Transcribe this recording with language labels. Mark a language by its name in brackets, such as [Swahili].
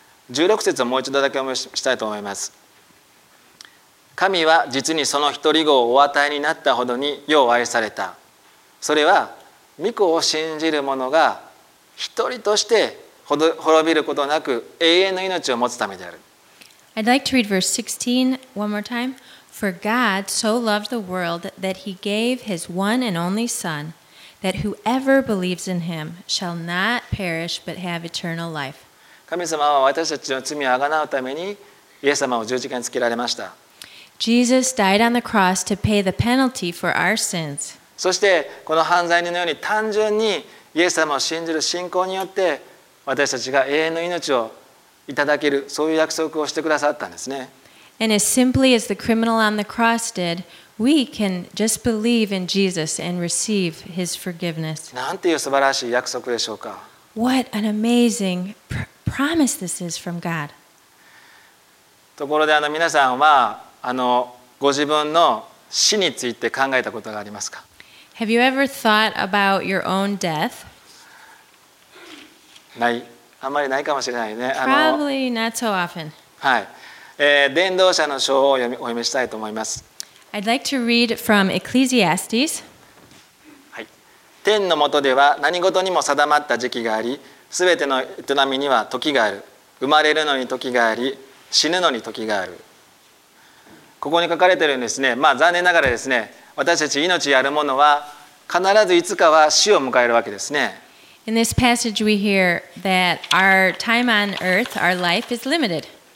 [Japanese] 16節をもう一度だけお見せしたいと思います。神は実にその一人子をお与えになったほどに世を愛された。それは御子を信じる者が一人として滅びることなく永遠の命を持つためである。 [English] I'd like to read verse 16 one more time. For God so loved the world that he gave his one and only Son, that whoever believes in him shall not perish but have eternal life. [Japanese] 神様は私たちの罪を贖うためにイエス様を十字架につけられました。 [English] Jesus died on the cross to pay the penalty for our sins. [Japanese] そしてこの犯罪人のように単純にイエス様を信じる信仰によって私たちが永遠の命をいただけるそういう約束をしてくださったんですね。 [English] And as simply as the criminal on the cross did, we can just believe in Jesus and receive His forgiveness. [Japanese] なんていう素晴らしい約束でしょうか。 [English] What an amazing promise this is from God. [Japanese] ところで皆さんはご自分の死について考えたことがありますか。 [English] Have you ever thought about your own death? [Japanese] ない。あんまりないかもしれないね。 [English] Probably not so often. [Japanese] はい。伝道者の書をお読みしたいと思います。 [English] I'd like to read from Ecclesiastes. [Japanese] はい。天の下では何事にも定まった時期があり、すべての営みには時がある。生まれるのに時があり、死ぬのに時がある。ここに書かれているんですね。まあ残念ながらですね、私たち命あるものは必ずいつかは死を迎えるわけですね。 [English] In this passage we hear that our time on earth, our life is limited.